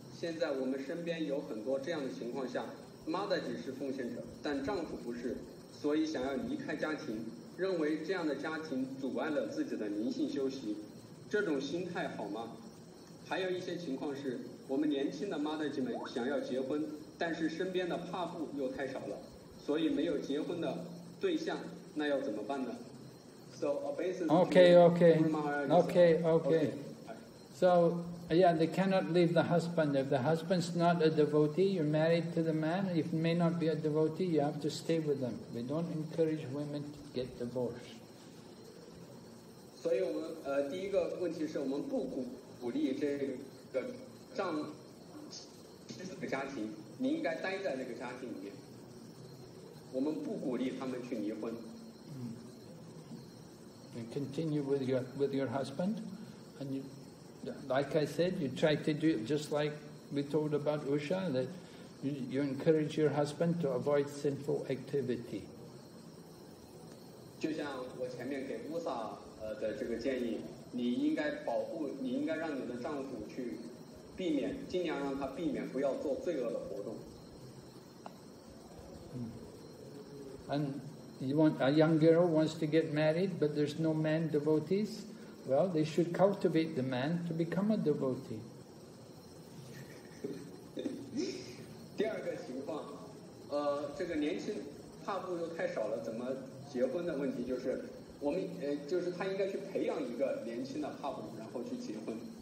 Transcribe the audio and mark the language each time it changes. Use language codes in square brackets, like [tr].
[zh] 现在我们身边有很多这样的情况下，妈的只是奉献者，但丈夫不是，所以想要离开家庭，认为这样的家庭阻碍了自己的灵性修习，这种心态好吗？还有一些情况是，我们年轻的妈的们想要结婚，但是身边的帕布又太少了，所以没有结婚的对象，那要怎么办呢 ？ [en] So a basis. Okay. So. Yeah, they cannot leave the husband. If the husband's not a devotee, you're married to the man. If he may not be a devotee, you have to stay with them. We don't encourage women to get divorced. So, the first question is, you continue with your husband, and you... Like I said, you try to do it just like we told about Usha, that you encourage your husband to avoid sinful activity. [zh] 就像我前面给 Usha 的这个建议，你应该保护，你应该让你的丈夫去避免，尽量让他避免不要做罪恶的活动。 [en] And you want a young girl wants to get married, but there's no man devotees? Well, they should cultivate the man to become a devotee. [zh] 第二个情况，这个年轻帕布又太少了，怎么结婚的问题就是，我们就是他应该去培养一个年轻的帕布，然后去结婚。